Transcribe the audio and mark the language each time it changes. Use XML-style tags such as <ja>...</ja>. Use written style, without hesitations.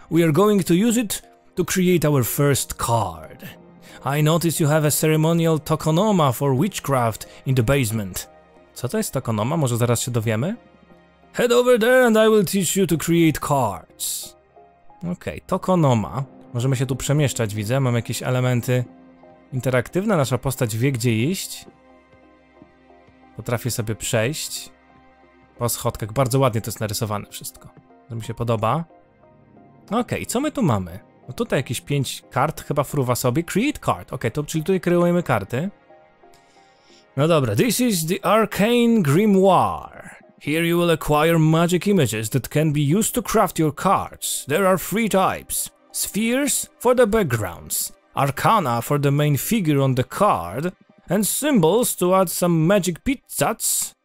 <en>We are going to use it to create our first card. I notice you have a ceremonial tokonoma for witchcraft in the basement.</en> <pl>Co to jest tokonoma? Może zaraz się dowiemy?</pl> <en>Head over there and I will teach you to create cards.</en> <pl>Okej, okay, tokonoma. Możemy się tu przemieszczać, widzę. Mam jakieś elementy... Interaktywna nasza postać wie, gdzie iść. Potrafię sobie przejść po schodkach. Bardzo ładnie to jest narysowane wszystko. To mi się podoba. Okej, co my tu mamy? No tutaj jakieś 5 kart chyba fruwa sobie.</pl> <en>Create card.</en> <pl>Okej, czyli tutaj kreujemy karty. No dobra.</pl> <en>This is the Arcane Grimoire. Here you will acquire magic images that can be used to craft your cards. There are 3 types. Spheres for the backgrounds. Arcana for the main figure on the card and symbols to add some magic pizzas,</en>